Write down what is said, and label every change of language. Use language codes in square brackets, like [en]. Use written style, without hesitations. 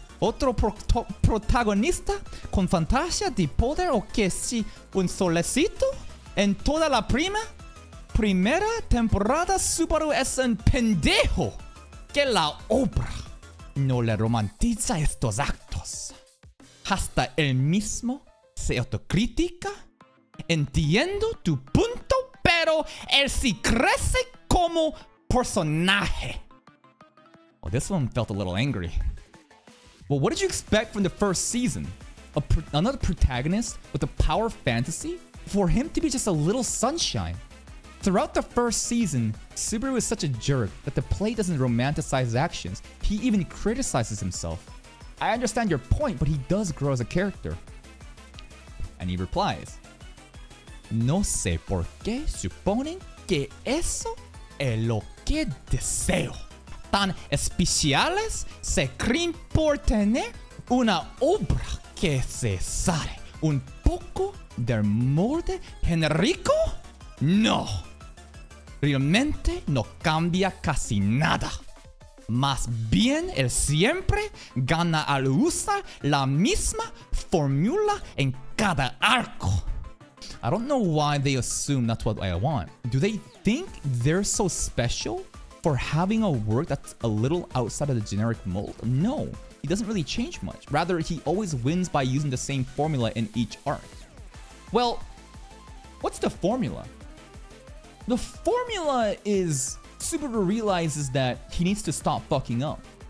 [es] Otro protagonista con fantasía de poder o que si un solecito en toda la primera temporada Subaru es un pendejo que la obra no le romantiza estos actos. Hasta él mismo se autocrítica. Entiendo tu punto, pero él sí crece como personaje. [en] Oh, this one felt a little angry. Well, what did you expect from the first season? Another protagonist with a power fantasy? For him to be just a little sunshine? Throughout the first season, Subaru is such a jerk that the play doesn't romanticize his actions. He even criticizes himself. I understand your point, but he does grow as a character. And he replies, [es] no sé por qué suponen que eso es lo que deseo. Tan especiales se creen por tener una obra que se sale un poco del molde genérico? No. Realmente no cambia casi nada. Más bien, él siempre gana al usar la misma fórmula en cada arco. [en] I don't know why they assume that's what I want. Do they think they're so special for having a work that's a little outside of the generic mold? No, he doesn't really change much. Rather, he always wins by using the same formula in each arc. Well, what's the formula? The formula is Subaru realizes that he needs to stop fucking up.